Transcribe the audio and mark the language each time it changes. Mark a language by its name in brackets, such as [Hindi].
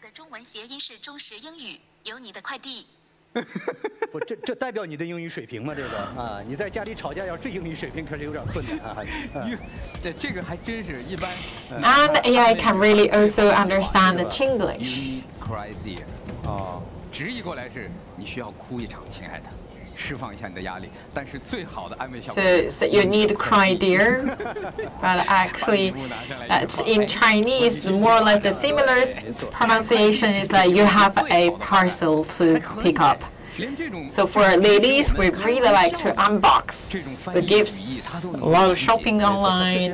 [Chinese] 的中文谐音是中式英语，有你的快递。不，这代表你的英语水平吗？这个啊，你在家里吵架要这英语水平，可是有点困难啊。这这个还真是一般。 [English] And AI can really also understand the Chinglish. You need to cry, dear. [Chinese] 哦，直译过来是你需要哭一场，亲爱的。 [English] So you need to cry, dear. But actually, in Chinese, more or less the similar pronunciation is like you have a parcel to pick up. So for ladies, we really like to unbox the gifts, a lot of shopping online.